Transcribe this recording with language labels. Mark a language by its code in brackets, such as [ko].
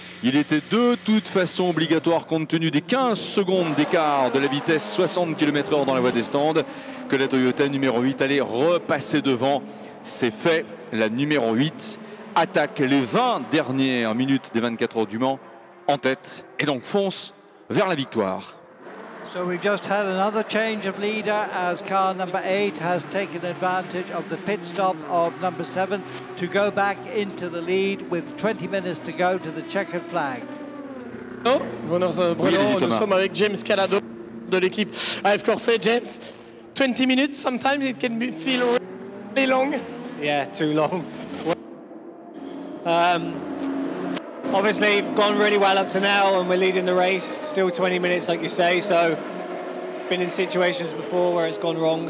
[fr] Il était de toute façon obligatoire, compte tenu des 15 secondes d'écart de la vitesse 60 km/h dans la voie des stands, que la Toyota numéro 8 allait repasser devant. C'est fait, la numéro 8 attaque les 20 dernières minutes des 24 heures du Mans en tête et donc fonce vers la victoire. [en] So we've just had another change of leader as car number 8 has taken advantage of the pit stop of number 7 to go back into the lead with 20 minutes to go to the checkered flag. [fr] Bruno, oui, nous sommes avec James Calado de l'équipe AF Corse. [en] James, 20 minutes, sometimes it can feel really long. Yeah, too long. Obviously, we've gone really well up to now, and we're leading the race. Still 20 minutes, like you say. So, been in situations before where it's gone wrong.